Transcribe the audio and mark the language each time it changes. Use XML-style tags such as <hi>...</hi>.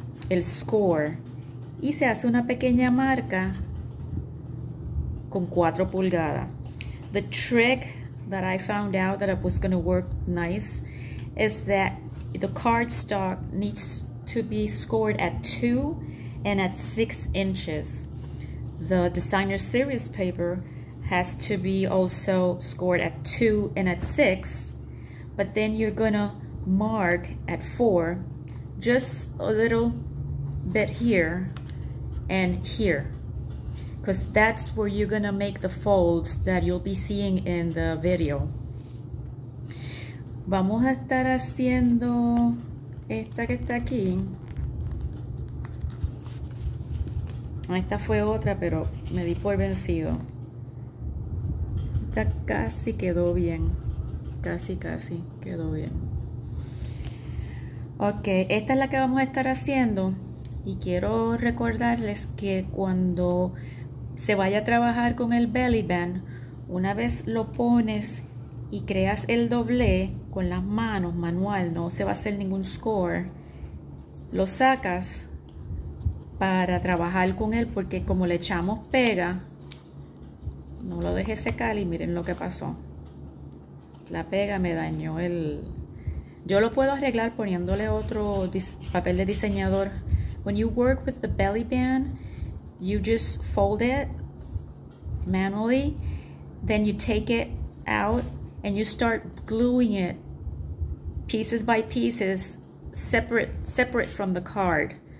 <es>El score y se hace una pequeña marca con 4 pulgadas.</es> <en>The trick that I found out that it was going to work nice is that the cardstock needs to be scored at 2 and at 6 inches. The designer series paper has to be also scored at 2 and at 6, but then you're going to mark at 4. Just a little bit here and here, because that's where you're gonna make the folds that you'll be seeing in the video.</en> <es>Vamos a estar haciendo esta que está aquí. Esta fue otra, pero me di por vencido. Esta casi quedó bien. Casi quedó bien. Ok, esta es la que vamos a estar haciendo y quiero recordarles que cuando se vaya a trabajar con el belly band, una vez lo pones y creas el doble con las manos, manual, no se va a hacer ningún score, lo sacas para trabajar con él porque como le echamos pega, no lo dejé secar y miren lo que pasó. La pega me dañó el... Yo lo puedo arreglar poniéndole otro papel de diseñador.</es> <en>When you work with the belly band, you just fold it manually, then you take it out and you start gluing it pieces by pieces separate from the card.</en>